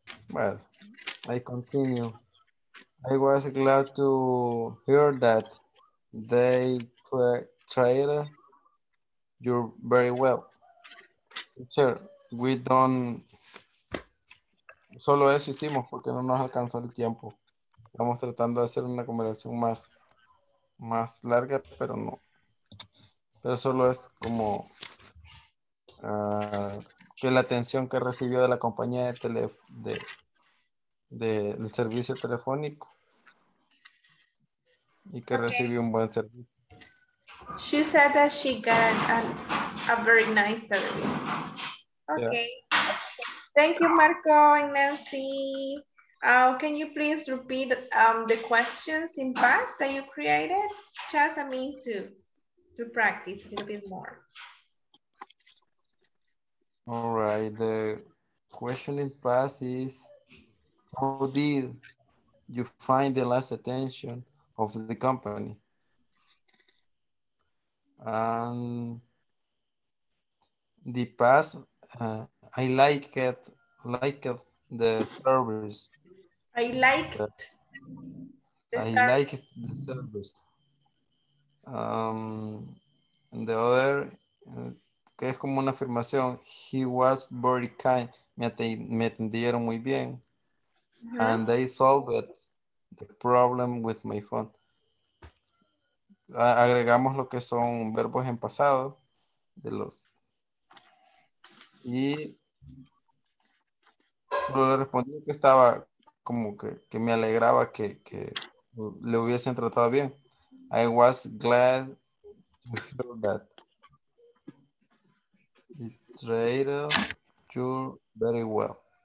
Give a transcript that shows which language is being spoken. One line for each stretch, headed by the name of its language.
English: Well, I continue. I was glad to hear that they treated you very well. Sure, we don't
Spanish: solo eso hicimos porque no nos alcanzó el tiempo. Estamos tratando de hacer una conversación más, más larga, pero no. Pero solo es como que la atención que recibió de la compañía de del servicio telefónico y que recibió un buen servicio.
English: She said that she got a very nice service. Okay. Yeah. Thank you, Marco and Nancy. Can you please repeat the questions in past that you created? Just me to practice a little bit more. All right. The question in past is, how did you find the last attention of the company? And the past, I liked the service. I liked the service. And the other,
Spanish: que es como una afirmación,
English: he was very kind,
Spanish: me atendieron muy bien.
English: Uh-huh. And they solved the problem with my phone.
Spanish: Agregamos lo que son verbos en pasado de los y solo respondí que estaba como que me alegraba que le hubiesen tratado bien.
English: I was glad to hear that you treated you very well.